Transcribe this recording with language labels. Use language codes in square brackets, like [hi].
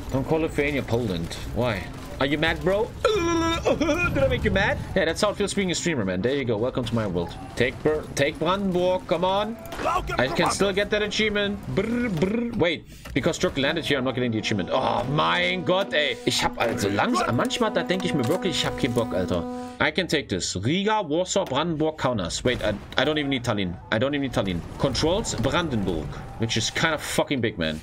[en] Don't call Lithuania Poland. Why? Are you mad, bro? Did I make you mad? Yeah, that's how it feels being a streamer, man. There you go. Welcome to my world. Take Brandenburg. Come on. Welcome I can Brandenburg. Still get that achievement. Wait. Because Turkey landed here, I'm not getting the achievement. [de] Oh, mein Gott, ey. Ich hab also langsam... Manchmal da denke ich mir wirklich, ich hab keinen Bock, Alter. [en] I can take this. Riga, Warsaw, Brandenburg, Kaunas. Wait, I don't even need Tallinn. I don't even need Tallinn. Controls Brandenburg. Which is kind of fucking big, man.